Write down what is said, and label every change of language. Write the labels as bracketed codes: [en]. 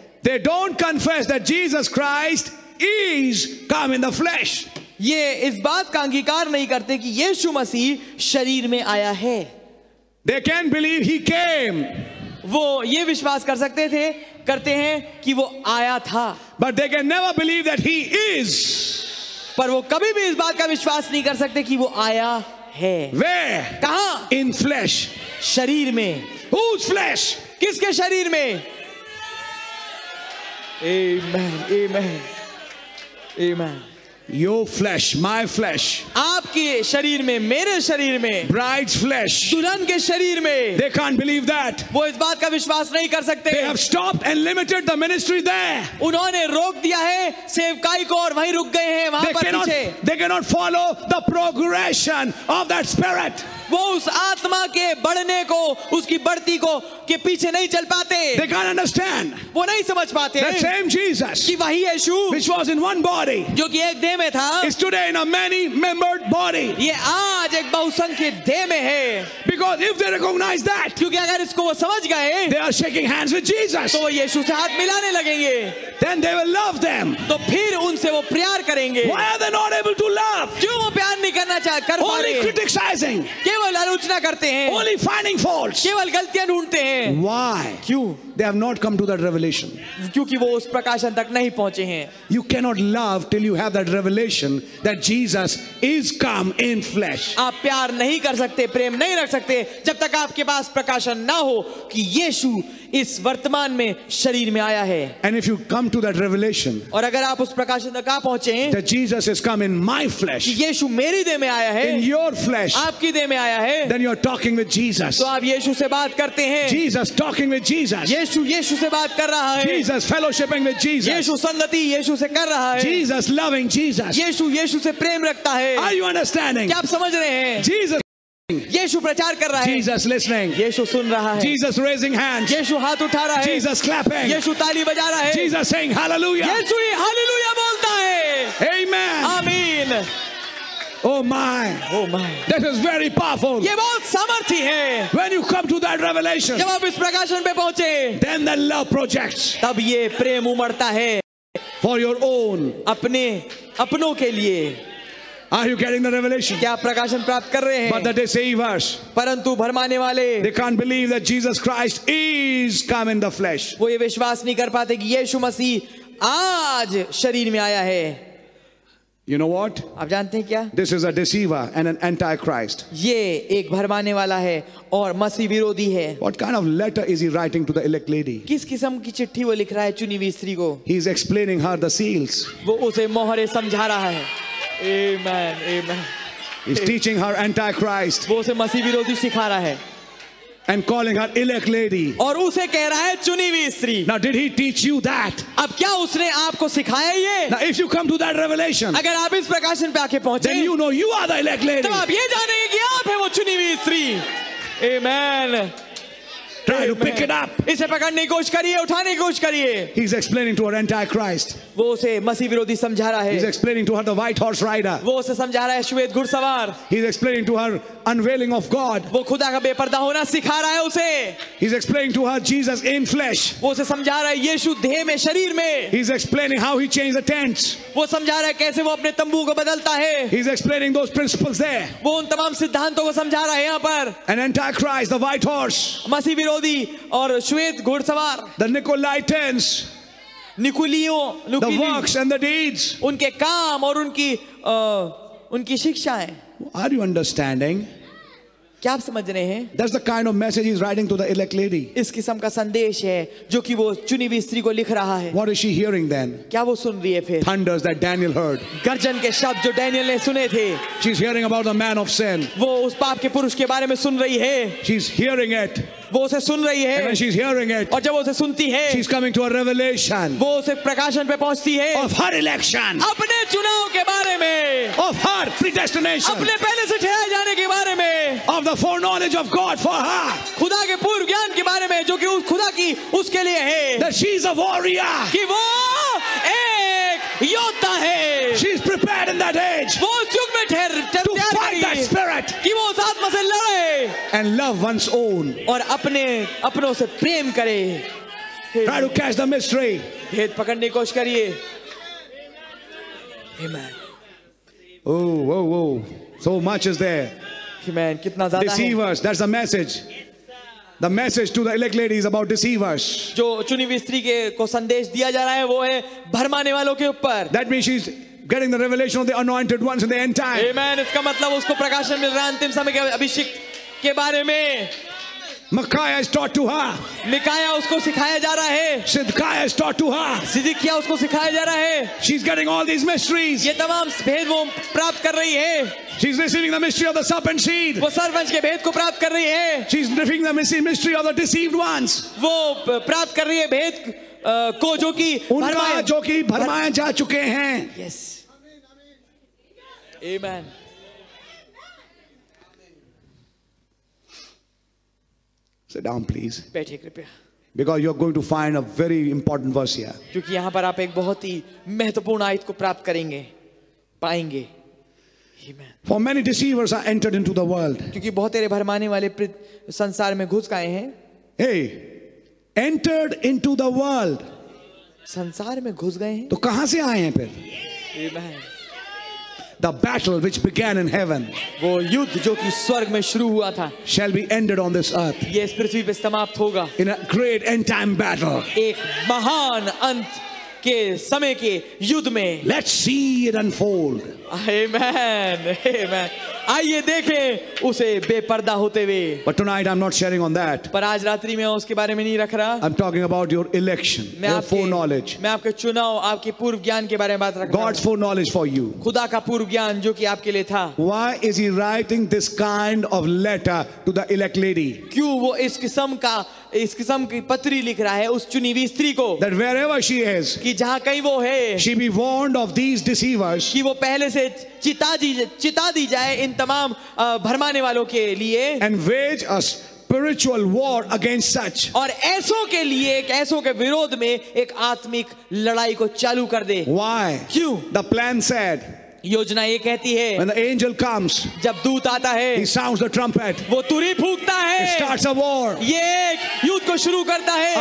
[en] They don't confess that Jesus Christ is come in the flesh, [hi] ये इस बात का अंगीकार नहीं करते कि यीशु मसीह शरीर में आया है। [en] They can't believe he came, [hi] वो ये विश्वास कर सकते थे, करते हैं कि वो आया था। [en] But they can never believe that he is. [hi] पर वो कभी भी इस बात का विश्वास नहीं कर सकते कि वो आया है। [en] Where? [hi] कहाँ? [en] In flesh. [hi] शरीर में। [en] Whose flesh? [hi] किसके शरीर में? [en] Amen. Amen. Amen. Your flesh, my flesh. [hi] आपके शरीर में, मेरे शरीर में। [en] Bride's flesh. [hi] दुल्हन के शरीर में। [en] They can't believe that. [hi] वो इस बात का विश्वास नहीं कर सकते। [en] They have stopped and limited the ministry there. [hi] उन्होंने रोक दिया है सेवकाई को और वहीं रुक गए हैं वहाँ पर पीछे। [en] They cannot follow the progression of that spirit. [hi] वो उस आत्मा के बढ़ने को, उसकी बढ़ती को के पीछे नहीं चल पाते। [en] They can't understand. [hi] वो नहीं समझ पाते। [en] That same Jesus. [hi] कि वही यीशु। [en] Which was in one body. [hi] जो कि एक देह में था। [en] Is today in a many-membered body. [hi] ये आज एक बहुसंख्यक देह में है। [en] Because if they recognize that. [hi] क्योंकि अगर इसको वो समझ गए। [en] They are shaking hands with Jesus. [hi] तो वो यीशु से हाथ मिलाने लगेंगे। [en] Then they will love them. [hi] तो फिर उनसे वो प्यार करेंगे। [en] Why are they not able to love? [hi] क्यों वो प्यार नहीं करना चाहते? [en] Only criticizing. [hi] केवल आलोचना करते हैं। [en] Only finding faults. [hi] केवल गलतियां ढूंढते हैं। [en] Why? [hi] क्यों? [en] They have not come to that revelation. [hi] क्योंकि वो उस प्रकाशन तक नहीं पहुंचे हैं। [en] You cannot love till you have that revelation that Jesus is come in flesh. [hi] आप प्यार नहीं कर सकते, प्रेम नहीं रख सकते, जब तक आपके पास प्रकाशन ना हो कि यीशु इस वर्तमान में शरीर में आया है। [en] And if you come to that revelation, [hi] और अगर आप उस प्रकाशन तक आ पहुंचे हैं, [en] that Jesus is come in my flesh, [hi] यीशु मेरी देह में आया है, [en] in your flesh, [hi] आपकी देह में आया है, [en] then you are talking with Jesus. [hi] तो आप यीशु से बात करते हैं। [en] Jesus talking with Jesus. [hi] यीशु से बात कर रहा है। [en] Jesus fellowshipping with Jesus. [hi] यीशु संगति यीशु से कर रहा है। [en] Jesus loving Jesus. [hi] यीशु यीशु से प्रेम रखता है। [en] Are you understanding? [hi] क्या आप समझ रहे हैं? [en] Jesus [hi] यीशु प्रचार कर रहा है। [en] Jesus listening. [hi] यीशु सुन रहा है। [en] Jesus raising hands. [hi] यीशु हाथ उठा रहा है। [en] Jesus clapping. [hi] यीशु ताली बजा रहा है। [en] Jesus saying hallelujah. [hi] यीशु ही हालेलुया बोलता है। [en] Amen. [hi] आमीन। [en] Oh my. Oh my. That is very powerful. [hi] ये बहुत सामर्थी है. [en] When you come to that revelation. [hi] जब आप इस प्रकाशन पे पहुंचे. [en] Then the love projects. [hi] तब ये प्रेम उमड़ता है. [en] For your own. [hi] अपने अपनों के लिए. [en] Are you getting the revelation? [hi] क्या प्रकाशन प्राप्त कर रहे हैं? [en] But the deceivers. [hi] परंतु भरमाने वाले. [en] They can't believe that Jesus Christ is come in the flesh. [hi] वो ये विश्वास नहीं कर पाते कि यीशु मसीह आज शरीर में आया है. [en] You know what? [hi] आप जानते हैं क्या? [en] This is a deceiver and an antichrist. [hi] ये एक भरमाने वाला है और मसीह विरोधी है. [en] What kind of letter is he writing to the elect lady? [hi] किस किस्म की चिट्ठी वो लिख रहा है चुनी हुई स्त्री को? [en] He is explaining her the seals. [hi] वो उसे मोहरें समझा रहा है. [en] Amen, amen. He's teaching her antichrist. [hi] वो उसे मसीह विरोधी सिखा रहा है. [en] And calling her elect lady. [hi] और उसे कह रहा है चुनी हुई स्त्री. [en] Now did he teach you that? [hi] अब क्या उसने आपको सिखाया ये? [en] Now if you come to that revelation. [hi] अगर आप इस प्रकाशन पे आके पहुंचे. [en] Then you know you are the elect lady. [hi] तो आप ये जानेंगे कि आप हैं वो चुनी हुई स्त्री. [en] Amen. Try to pick it up. [hi] इसे पकड़ने की कोशिश करिए, उठाने की कोशिश करिए. [en] He's explaining to her antichrist. [hi] वो उसे मसीह विरोधी समझा रहा है. [en] He's explaining to her the white horse rider. [hi] वो उसे समझा रहा है श्वेत घुड़सवार. [en] He's explaining to her unveiling of God. [hi] वो खुदा का बेपर्दा होना सिखा रहा है उसे. [en] He's explaining to her Jesus in flesh. [hi] वो उसे समझा रहा है यीशु देह में शरीर में. [en] He's explaining how he changed the tents. [hi] वो समझा रहा है कैसे वो अपने तंबू को बदलता है. [en] He's explaining those principles there. [hi] वो उन तमाम सिद्धांतों को समझा रहा है यहाँ पर. [en] An antichrist, the white horse. [hi] मसीह विरोधी और श्वेत घुड़सवार. [en] The Nicolaitans. The works and the deeds. [hi] उनके काम और उनकी उनकी शिक्षाएं. [en] Are you understanding? [hi] क्या आप समझ रहे हैं? [en] That's the kind of message he's writing to the elect lady. [hi] इस किस्म का संदेश है जो कि वो चुनी हुई स्त्री को लिख रहा है. [en] What is she hearing then? [hi] क्या वो सुन रही है फिर? [en] Thunders that Daniel heard. [hi] गर्जन के शब्द जो डैनियल ने सुने थे. [en] She's hearing about the man of sin. [hi] वो उस पाप के पुरुष के बारे में सुन रही है. [en] She's hearing it. [hi] वो उसे सुन रही है. [en] And when she's hearing it, [hi] और जब उसे सुनती है, [en] she's coming to a revelation. [hi] वो उसे प्रकाशन पे पहुंचती है. [en] Of her election. [hi] अपने चुनाव के बारे में. [en] Of her predestination. [hi] अपने पहले से ठहराए जाने के बारे में. [en] Of the foreknowledge of God for her. [hi] खुदा के पूर्व ज्ञान के बारे में जो कि उस खुदा की उसके लिए है. [en] That she's a warrior. [hi] कि वो एक योद्धा है. [en] She's prepared in that age. [hi] वो युग में ठहर spirit. कि वो उस आत्मा से लड़े. [en] And love one's own. [hi] और अपने अपनों से प्रेम करे. [en] Try to catch the mystery. [hi] भेद पकड़ने की कोशिश करिए. [en] Amen. Oh, whoa, whoa. So much is there. [hi] Amen. कितना ज़्यादा [en] deceivers, that's the message. The message to the elect lady is about deceivers. [hi] जो चुनी हुई स्त्री के को संदेश दिया जा रहा है वो है भरमाने वालों के ऊपर. [en] That means she's getting the revelation of the anointed ones in the end time. Amen. [hi] इसका मतलब उसको प्रकाशन मिल रहा है अंतिम समय के अभिषेक के बारे में. [en] Micaiah is taught to her. [hi] Micaiah उसको सिखाया जा रहा है. [en] Zedekiah is taught to her. [hi] Zedekiah उसको सिखाया जा रहा है. [en] She's getting all these mysteries. [hi] ये तमाम भेद वो प्राप्त कर रही है. [en] She's receiving the mystery of the serpent seed. [hi] वो सरपंच के भेद को प्राप्त कर रही है. [en] She's receiving the mystery of the deceived ones. [hi] वो प्राप्त कर रही है भेद को जो कि भरमाए जो कि भरमाए जा चुके हैं. [en] Yes. Amen. Sit down, please. [hi] बैठिए कृपया. [en] Because you are going to find a very important verse here. [hi] क्योंकि यहाँ पर आप एक बहुत ही महत्वपूर्ण आयत को प्राप्त करेंगे, पाएंगे. [en] Amen. For many deceivers are entered into the world. [hi] क्योंकि बहुत तेरे भरमाने वाले संसार में घुस गए हैं. [en] Hey, entered into the world. [hi] संसार में घुस गए हैं. तो कहाँ से आए हैं फिर? [en] Amen. The battle which began in heaven, [hi] वो युद्ध जो कि स्वर्ग में शुरू हुआ था, [en] shall be ended on this earth. [hi] ये इस पृथ्वी पे समाप्त होगा. [en] In a great end time battle. [hi] एक महान अंत के समय के युद्ध में. [en] Let's see it unfold. [hi] Amen. Amen. आइए देखें उसे बेपर्दा होते हुए. [en] But tonight I'm not sharing on that. [hi] पर आज रात्रि में उसके बारे में नहीं रख रहा. [en] I'm talking about your election, your foreknowledge. [hi] मैं आपके चुनाव, आपके पूर्व ज्ञान के बारे में बात रख रहा हूँ. [en] God's foreknowledge for you. [hi] खुदा का पूर्व ज्ञान जो कि आपके लिए था. [en] Why is he writing this kind of letter to the elect lady? [hi] क्यों वो इस किस्म की पत्री लिख रहा है उस चुनी हुई स्त्री को. [en] That wherever she is, [hi] कि जहाँ कहीं वो है, [en] she be warned of these deceivers. [hi] कि वो पहले से चिता दी जाए इन तमाम भरमाने वालों के लिए. [en] And wage a spiritual war against such. [hi] और ऐसों के लिए ऐसों के विरोध में एक आत्मिक लड़ाई को चालू कर दे. [en] Why? [hi] क्यों? [en] The plan said. [hi] योजना ये कहती है [en] When the angel comes, [hi] जब दूत आता है [en] he sounds the trumpet, [hi] वो तुरी फूंकता है [en] it starts a war, [hi] ये एक युद्ध को शुरू करता है